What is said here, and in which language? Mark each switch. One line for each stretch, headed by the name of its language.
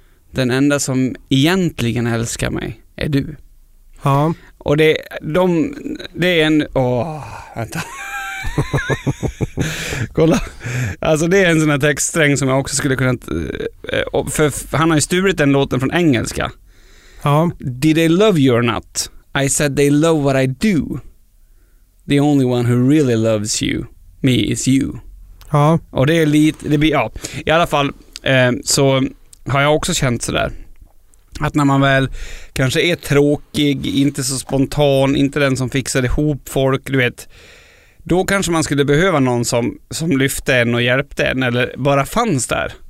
Swedish: Den enda som egentligen älskar mig är du. Ja. Och det är en... Åh, vänta. Kolla. Alltså det är en sån här textsträng som jag också skulle kunna... För han har ju stulit den låten från engelska. Ja.
English: Did they love you or not? I said they love what I do. The only one who really loves you, me, is you.
Swedish: Ja. Och det är lite, det blir, ja. I alla fall så har jag också känt sådär. Att när man väl kanske är tråkig, inte så spontan, inte den som fixar ihop folk, du vet. Då kanske man skulle behöva någon som lyfte en och hjälpte en, eller bara fanns där.